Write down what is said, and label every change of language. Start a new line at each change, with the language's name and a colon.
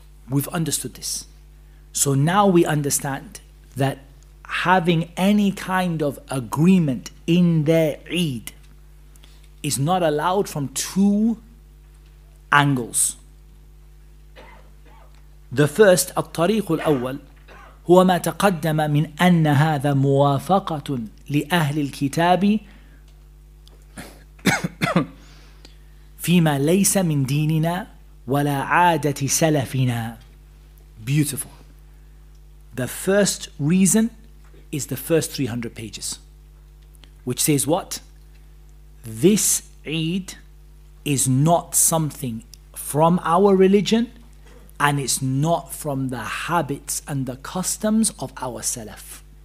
English: We've understood this. So now we understand that having any kind of agreement in their Eid is not allowed from two angles. The first,
Arabic: الطريق الأول, هو ما تقدم من أن هذا موافقة لأهل الكتاب فيما ليس من ديننا ولا عادة سلفنا.
English: Beautiful. The first reason is the first 300 pages, which says what? This Eid is not something from our religion, and it's not from the habits and the customs of our Salaf.